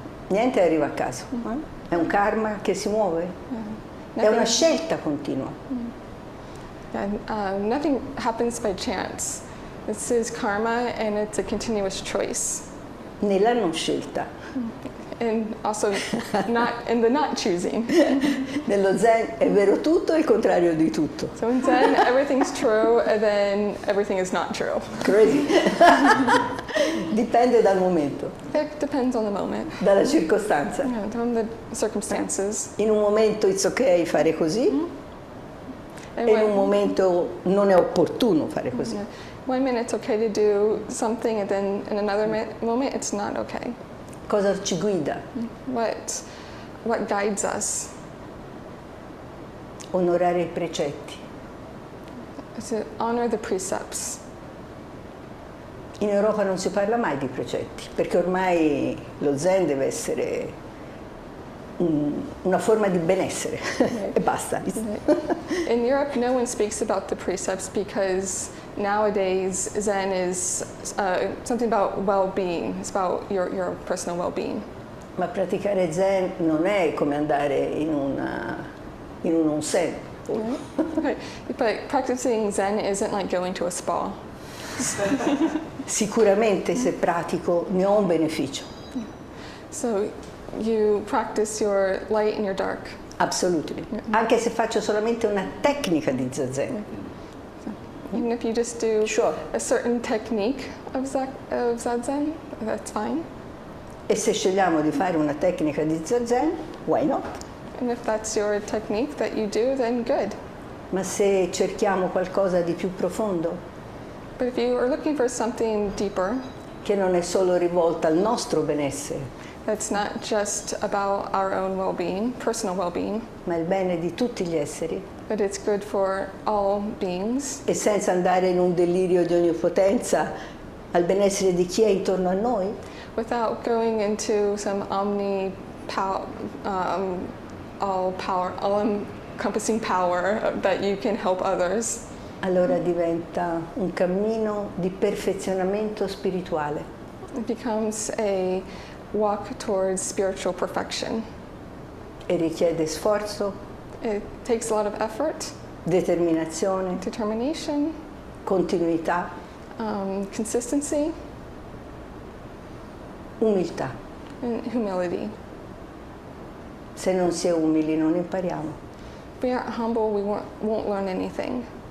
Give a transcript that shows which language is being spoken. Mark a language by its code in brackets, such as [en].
[it] Niente arriva a caso. È un karma che si muove. È una scelta continua. [en] Nothing happens by chance. This is karma and it's a continuous choice. [it] Nella non scelta. [en] and also not in the not choosing. [it] Nello Zen è vero tutto e il contrario di tutto. [en] So in Zen, everything's true, and then everything is not true. Crazy. [it] Dipende dal momento. [en] It depends on the moment. [it] Dalla circostanza. [en] Yeah, from the circumstances. [it] In un momento [en] it's okay [it] fare così. Mm-hmm. E in un momento non è opportuno fare così. [en] Yeah. One minute it's okay to do something, and then in another moment it's not okay. [it] Cosa ci guida? [en] What guides us? [it] Onorare i precetti. [en] To honor the precepts. [it] In Europa non si parla mai di precetti, perché ormai lo Zen deve essere una forma di benessere, right. E basta. [en] In Europe, no one speaks about the precepts because nowadays Zen is something about well-being. It's about your personal well-being. [it] Ma praticare Zen non è come andare in un onsen. [en] But practicing Zen isn't like going to a spa. [it] Sicuramente se pratico ne ho un beneficio. [en] So you practice your light and your dark. Absolutely. Mm-hmm. [it] Anche se faccio solamente una tecnica di Zazen. [en] Mm-hmm. Even if you just do sure. A certain technique of Zazen, that's fine. [it] E se scegliamo di fare una tecnica di Zazen, [en] why not? And if that's your technique that you do, then good. [it] Ma se cerchiamo qualcosa di più profondo? [en] But if you are looking for something deeper. [it] Che non è solo rivolta al nostro benessere. [en] That's not just about our own well-being, personal well-being. [it] Ma il bene di tutti gli esseri. [en] But it's good for all beings. [it] E senza andare in un delirio di onnipotenza, al benessere di chi è intorno a noi. [en] Without going into some all-encompassing power that you can help others. [it] Allora diventa un cammino di perfezionamento spirituale. [en] It becomes a walk towards spiritual perfection. [it] E richiede sforzo. [en] It takes a lot of effort. [it] Determinazione. [en] Determination. [it] Continuità. [en] Consistency. [it] Umiltà. [en] And humility. [it] Se non si è umili, non impariamo. [en] If we aren't humble, we won't learn anything.